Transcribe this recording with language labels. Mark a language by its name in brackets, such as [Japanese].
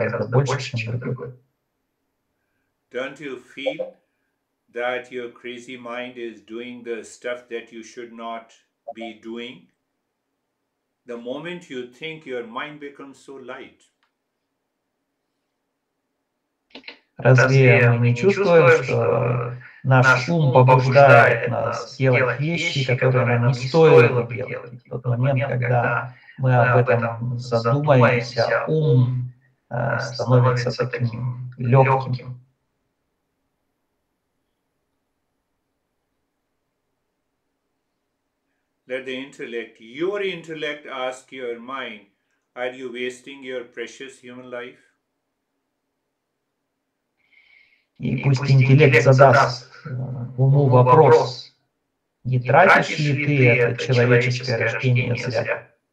[English] Don't you feel that your crazy mind is doing the stuff that you should not be doing? The moment you think, your mind becomes so light. [Russian] Разве мы не чувствуем, что наш ум побуждает нас делать вещи, которые нам не стоило делать? В тот момент, когда мы об этом задумаемся, ум становится таким легким. [English] Let the intellect, your intellect, ask your mind, are you wasting your precious human life? [Russian] И пусть интеллект задаст уму вопрос, не тратишь ли ты это человеческое рождение зря?